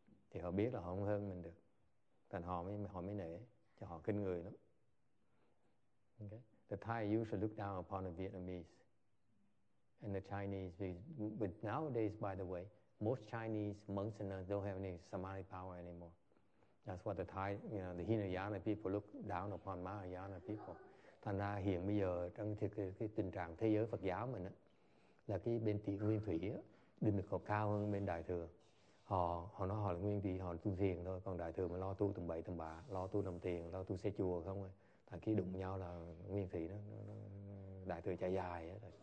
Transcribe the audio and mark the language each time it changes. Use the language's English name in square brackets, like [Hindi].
[Vietnamese] Thì họ biết là họ không hơn mình được. Thành họ mới nể, cho họ kinh người lắm. [English] Okay. The Thai usually look down upon the Vietnamese and the Chinese, but nowadays, by the way, most Chinese monks and nuns don't have any samadhi power anymore. That's what the Thai, you know, the Hinayana people look down upon Mahayana people. [Vietnamese] Thành ra hiện bây giờ trong cái tình trạng thế giới Phật giáo mình á, là cái bên tỷ nguyên thủy á, định lực họ cao hơn bên đại thừa. Họ nói họ là nguyên thủy, họ tu thiền thôi. Còn đại thừa mà lo tu tầm bậy tầm bạ, lo tu nằm tiền, lo tu xây chùa không ấy. Thành khi đụng nhau là nguyên thủy nó đại thừa chạy dài á.